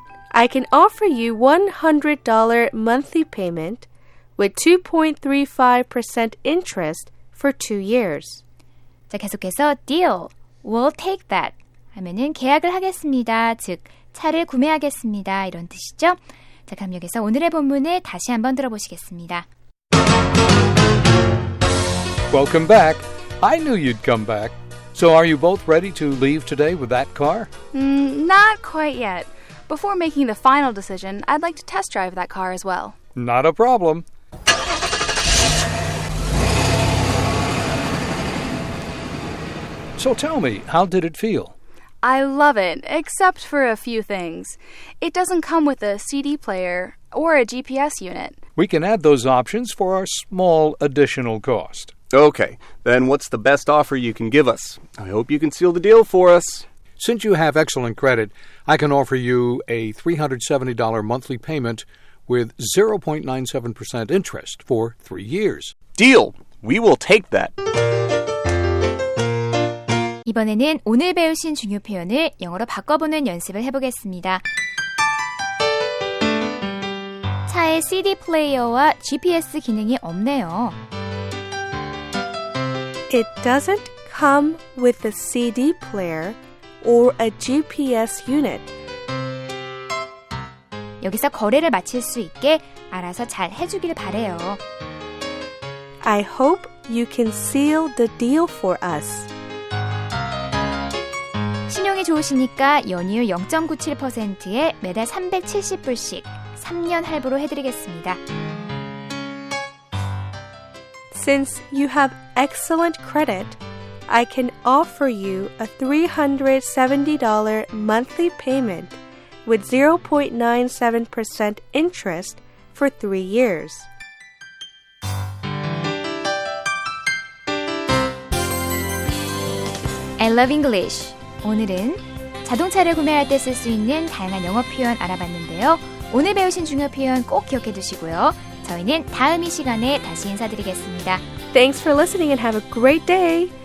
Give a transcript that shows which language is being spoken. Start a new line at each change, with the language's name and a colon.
English: I can offer you $100 monthly payment with 2.35% interest for 2 years.
Korean: 자, 계속해서
English: deal. We'll take that.
Korean: 하면은 계약을 하겠습니다. 즉, 차를 구매하겠습니다. 이런 뜻이죠. 자, 그럼 여기서 오늘의 본문을 다시 한번 들어보시겠습니다.
English: Welcome back. I knew you'd come back. So are you both ready to leave today with that car? Not quite yet. Before making the final decision, I'd like to test drive that car as well. Not a problem. So tell me, how did it feel? I love it, except for a few things. It doesn't come with a CD player or a GPS unit. We can add those options for our small additional cost. Okay, then what's the best offer you can give us? I hope you can seal the deal for us. Since you have excellent credit, I can offer you a $370 monthly payment with 0.97% interest for 3 years. Deal! We will take that.
Korean: 이번에는 오늘 배우신 중요 표현을 영어로 바꿔보는 연습을 해보겠습니다. 차에 CD 플레이어와 GPS 기능이 없네요.
English: It doesn't come with a CD player or a GPS unit.
Korean: 여기서 거래를 마칠 수 있게 알아서 잘 해주길 바래요.
English: I hope you can seal the deal for us.
Korean: 신용이 좋으시니까 연이율 0.97%에 매달 370불씩 3년 할부로 해드리겠습니다.
English: Since you have excellent credit, I can offer you a $370 monthly payment with 0.97% interest for 3 years. I love English.
Korean: 오늘은 자동차를 구매할 때 쓸 수 있는 다양한 영어 표현 알아봤는데요. 오늘 배우신 중요 표현 꼭 기억해 두시고요. 저희는 다음 이 시간에 다시 인사드리겠습니다.
English: Thanks for listening and have a great day.